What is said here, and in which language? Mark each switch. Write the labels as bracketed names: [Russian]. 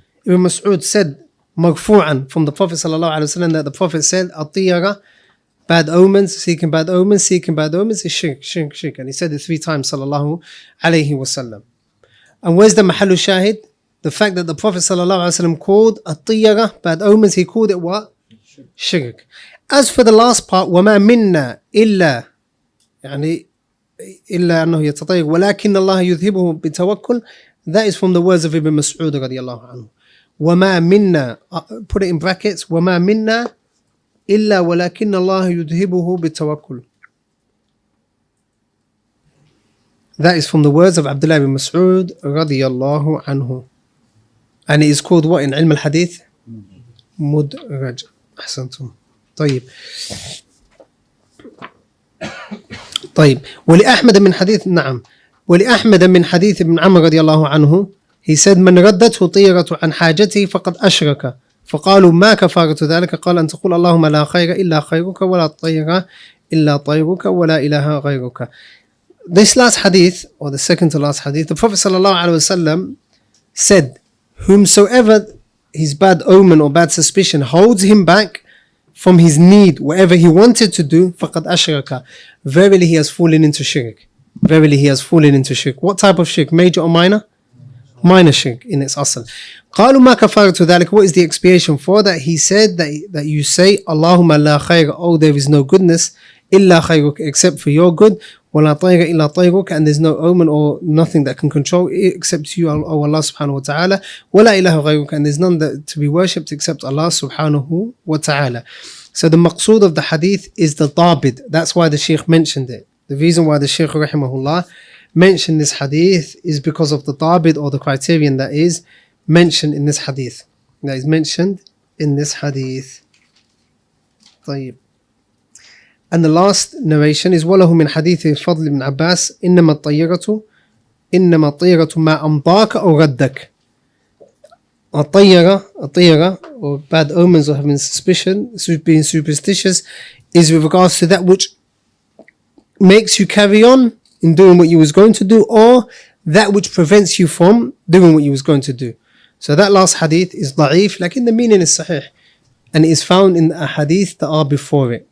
[English] Ibn Mas'ud said, marfu'an, from the Prophet sallallahu alayhi wa sallam, that the Prophet said, atiyara, bad omens, seeking bad omens, seeking bad omens is shirk, shirk, shirk. And he said it three times, sallallahu alayhi wa sallam. And where's the mahalu shahid? The fact that the Prophet sallallahu alayhi wa sallam called at-tiyara, bad omens, he called it what? Shirk. As for the last part, [Arabic] وَمَا مِنَّا إِلَّا أَنَّهُ يَتَطَيِّرُ وَلَكِنَّ اللَّهَ يُذْهِبُهُ بِتَوَكُّلْ. [English] That is from the words of Ibn Mas'ud radiallahu anhu. [Arabic] وَمَا مِنَّا, [English] put it in brackets, [Arabic] وَمَا مِنَّا إلا ولكن الله يذهبه بالتوكل. [English] That is from the words of Abdullah ibn Mas'ud رضي الله عنه. And it is called what in [Arabic] علم الحديث؟ مدرج. أحسنتم. طيب. طيب. ولأحمد من حديث نعم. ولأحمد من حديث ابن عمر رضي الله عنه. [English] He said [Arabic] من ردته طيرة عن حاجته فقد أشرك. فقالوا ما كفارة ذلك؟ قال أن تقول اللهم لا خير إلا خيرك ولا طيرة إلا طيرك ولا إله غيرك. [English] This last hadith or the second to last hadith, the Prophet صلى الله عليه وسلم said, whomsoever his bad omen or bad suspicion holds him back from his need, whatever he wanted to do, [Arabic] فقد أشرك. [English] Verily he has fallen into shirk. Verily he has fallen into shirk. What type of shirk? Major or minor? Minor shirk in its asal. [Arabic] قالوا ما كفارة ذلك. [English] What is the expiation for that? He said that you say, [Arabic] اللهم لا خير. [English] Oh, there is no goodness [Arabic] إلا خيرك, [English] except for your good. [Arabic] ولا طير إلا طيرك, [English] and there's no omen or nothing that can control it except you, oh Allah subhanahu wa ta'ala. [Arabic] ولا إله غيرك, [English] and there's none that to be worshipped except Allah subhanahu wa ta'ala. So the maqsood of the hadith is the ضابد. That's why the Sheikh mentioned it. The reason why the Sheikh rahimahullah mentioned this hadith is because of the ضابد, or the criterion that is mentioned in this hadith. That is mentioned in this hadith. [Arabic] طيب. [English] And the last narration is [Arabic] وَلَهُ مِنْ حَدِيثِ فَضْلِ بْنْ عَبَّاسِ إِنَّمَا الطَّيِّرَةُ إِنَّمَا الطَّيِّرَةُ مَا أَمْضَاكَ أَوْ رَدَّكَ. [English] A tayyara, or bad omens, or having suspicion, being superstitious, is with regards to that which makes you carry on in doing what you was going to do, or that which prevents you from doing what you was going to do. So that last hadith is [Arabic] ضعيف, لكن [English] the meaning is [Arabic] صحيح. [English] And it is found in the ahadith that are before it.